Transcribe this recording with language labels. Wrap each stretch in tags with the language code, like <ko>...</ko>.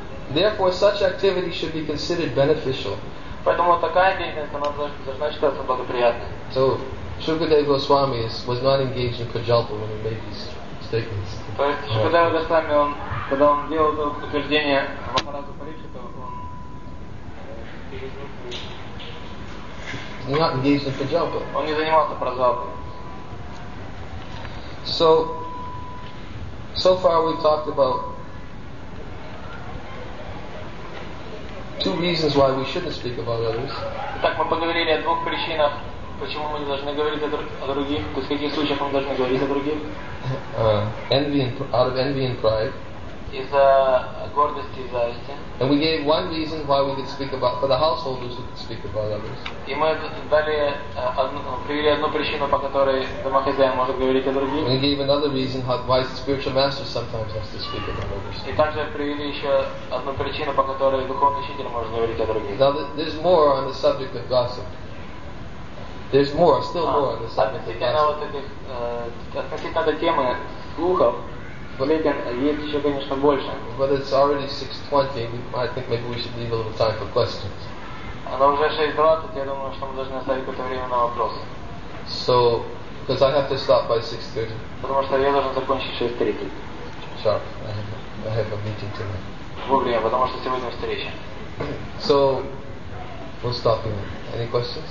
<en>Therefore, such activity should be considered beneficial. So, Shukadeva Goswami was not engaged in prajalpa when he made these statements.</en> <ru>То есть Шукадева Госвами, когда он делал это утверждение Махараджу Парикшита, он не занимался праджалпой.</ru> <en>So far we've talked about two reasons why we shouldn't speak about others.</en> <ru>Итак, мы поговорили о двух причинах, почему мы не должны говорить о других, то есть в каких случаях мы должны говорить о других.</ru> <en>Out of envy and pride.</en> <ru>Из-за гордости и зависти.</ru> <en>And we gave one reason why we could speak about, for the householders who could speak about others.</en> <ru>И мы дали привели одну причину, по которой домохозяин может говорить о других.</ru> <en>And we gave another reason why the spiritual master sometimes has to speak about others.</en> <ru>И также привели еще одну причину, по которой духовный учитель может говорить о других.</ru> <en>Now there's more on the subject of gossip. There's more, still more. The But it's already 6:20. I think maybe we should leave a little time for questions.</en> <ru>Она уже 6:20. Я думаю, что мы должны оставить какое-то время на вопросы.</ru> <en>So, Because I have to start by 6:30.</en> <ru>Потому что я должен закончить 6:30.</ru> <en>Sharp. I have a meeting tonight.</en> <ru>Вовремя, потому что сегодня встреча.</ru> <en>So, we'll stop here. Any questions?</en>